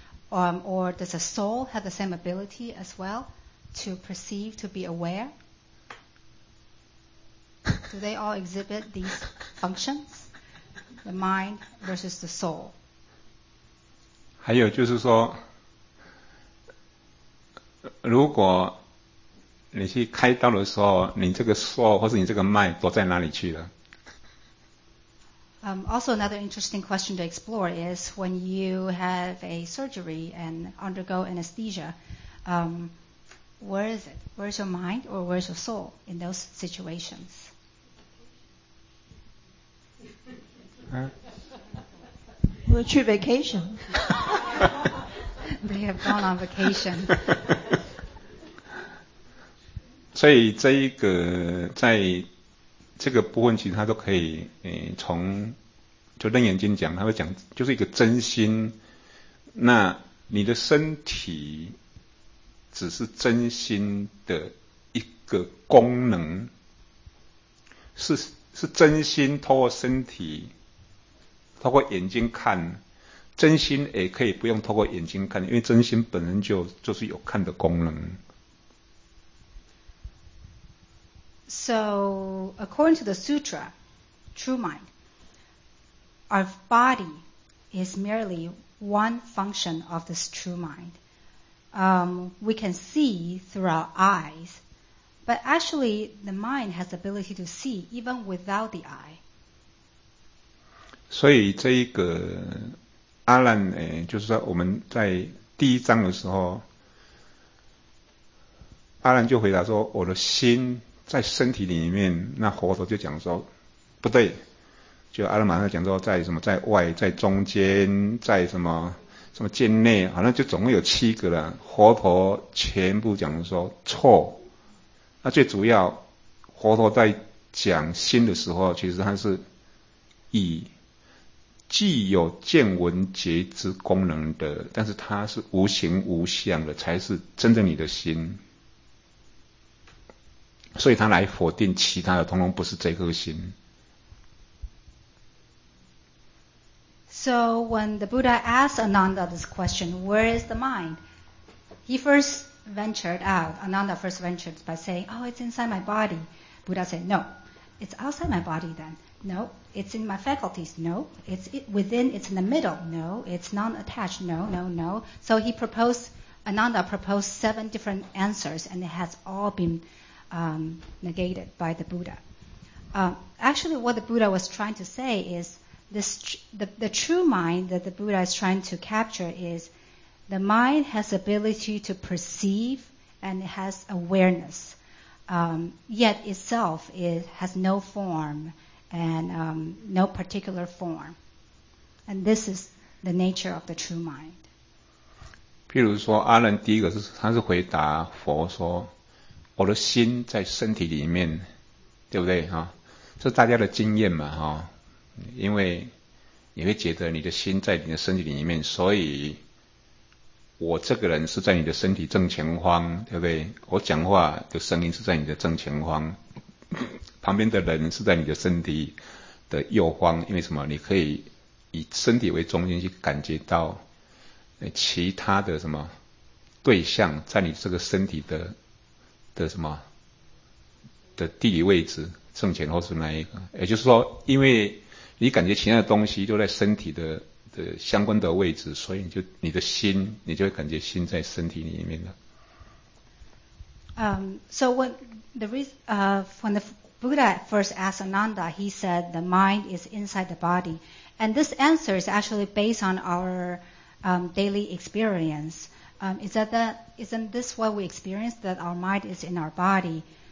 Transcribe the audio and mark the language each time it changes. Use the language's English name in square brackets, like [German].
[English] Or does the soul have the same ability as well to perceive, to be aware? Do they all exhibit these functions? The mind versus the soul. [Chinese] 还有就是说，如果你去开刀的时候，你这个 soul 或是你这个 mind 躲在哪里去了？ [English] Also another interesting question to explore is when you have a surgery and undergo anesthesia, where is it? Where is your mind or where is your soul in those situations? We're to vacation. They have gone on vacation. [Chinese] 所以这一个在这个部分其实它都可以从就楞严经讲，他会讲，就是一个真心。那你的身体只是真心的一个功能，是真心透过身体，透过眼睛看，真心也可以不用透过眼睛看，因为真心本身就是有看的功能。 [English] So according to the sutra, true mind. Our body is merely one function of this true mind. We can see through our eyes, but actually the mind has the ability to see even without the eye. [Chinese] 所以这一个阿难就是说我们在第一章的时候，阿难就回答说我的心在身体里面，那佛陀就讲说不对。就阿拉马上讲说在什么在外在中间在什么什么境内好像就总共有七个了佛陀全部讲说错那最主要佛陀在讲心的时候其实他是以既有见闻觉知功能的但是他是无形无相的才是真正你的心所以他来否定其他的通通不是这颗心 [English] So when the Buddha asked Ananda this question, where is the mind? He first ventured out, Ananda first ventured by saying, oh, it's inside my body. Buddha said, no, it's outside my body then. No, it's in my faculties. No, it's within, it's in the middle. No, it's non-attached. No, no, no. So he proposed, Ananda proposed seven different answers, and it has all been negated by the Buddha. Actually, what the Buddha was trying to say is, the true mind that the Buddha is trying to capture is the mind has ability to perceive and it has awareness, yet itself it has no form and no particular form. And this is the nature of the true mind. [Chinese] 譬如说阿伦第一个是他是回答佛说我的心在身体里面对不对、啊、这是大家的经验嘛、啊因为你会觉得你的心在你的身体里面所以我这个人是在你的身体正前方对不对我讲话的声音是在你的正前方旁边的人是在你的身体的右方因为什么你可以以身体为中心去感觉到其他的什么对象在你这个身体的什么的地理位置正前后是哪一个也就是说因为你感觉其他的东西都在身体 的相关的位置所以就你的心你就会感觉心在身体里面 [English] So when when the Buddha first asked Ananda, he said the mind is inside the body. And this answer is actually based on our daily experience. Isn't this what we experience, that our mind is in our body?